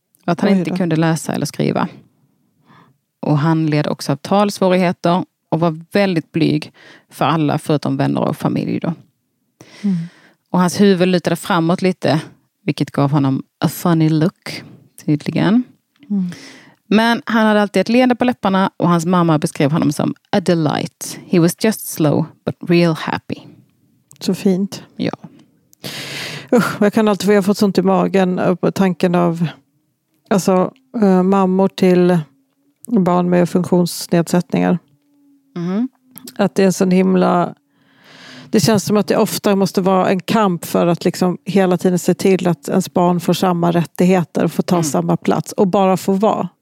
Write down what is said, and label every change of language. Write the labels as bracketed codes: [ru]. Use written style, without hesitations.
[sv] Och att han inte kunde läsa eller skriva. Och han led också av talsvårigheter och var väldigt blyg för alla förutom vänner och familj då. Mm. Och hans huvud lutade framåt lite, vilket gav honom [en] a funny look, [sv] tydligen. Mm. Men han hade alltid ett leende på läpparna och hans mamma beskrev honom som [en] a delight. He was just slow, but real happy. [sv] Så fint. Ja. Usch, jag kan alltid få fått sånt i magen på tanken av alltså mammor till barn med funktionsnedsättningar. Mm. Att det är en sån himla... Det känns som att det ofta måste vara en kamp för att liksom hela tiden se till att ens barn får samma rättigheter och får ta samma plats och bara få vara.